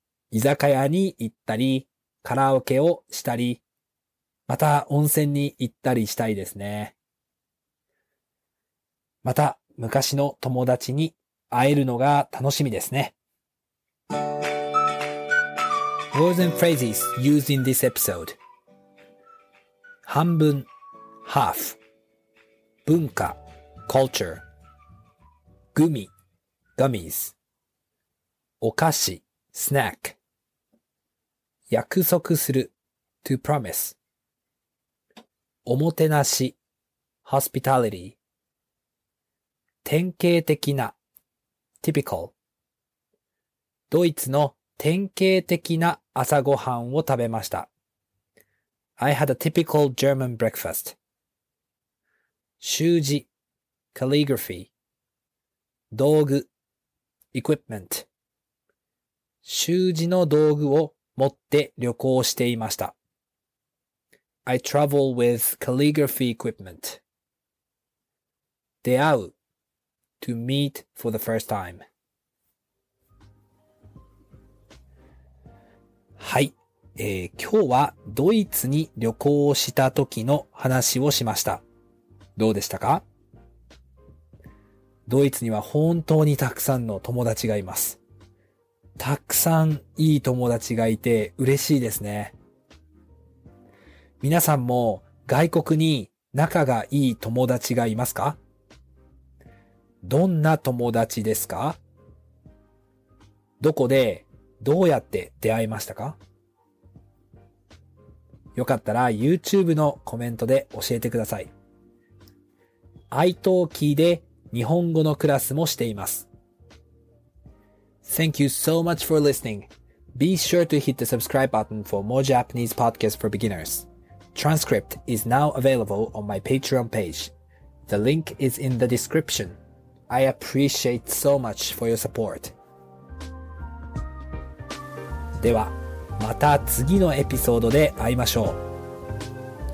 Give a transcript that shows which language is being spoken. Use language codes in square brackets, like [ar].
[ja] 居酒屋に行ったり、カラオケをしたり、また温泉に行ったりしたいですね。また昔の友達に会えるのが楽しみですね。 [en] Words and phrases used in this episode. [ja] 半分 [en] half [ja] 文化 [en] culture [ja] グミ、ガミーズ。お菓子、スナック。約束する、 [en] to promise。 [ja] おもてなし、 [en] hospitality。 [ja] 典型的な、 [en] typical。 [ja] ドイツの典型的な朝ごはんを食べました。 [en] I had a typical German breakfast. [ja] 習字 [en] calligraphy. [ja] 道具 [en] equipment. [ja] 習字の道具を持って旅行していました。 [en] I travel with calligraphy equipment. [ja] 出会う [en] to meet for the first time. [ja] はい。今日はドイツに旅行をした時の話をしました。どうでしたか？ドイツには本当にたくさんの友達がいます。たくさんいい友達がいて嬉しいですね。皆さんも外国に仲がいい友達がいますか？どんな友達ですか？どこでどうやって出会いましたか？よかったら YouTube のコメントで教えてください。iTalkieで日本語のクラスもしています。 [en] Thank you so much for listening. Be sure to hit the subscribe button for more Japanese podcasts for beginners. Transcript is now available on my Patreon page. The link is in the description. I appreciate so much for your support. [ja] では。また次のエピソードで会いましょう。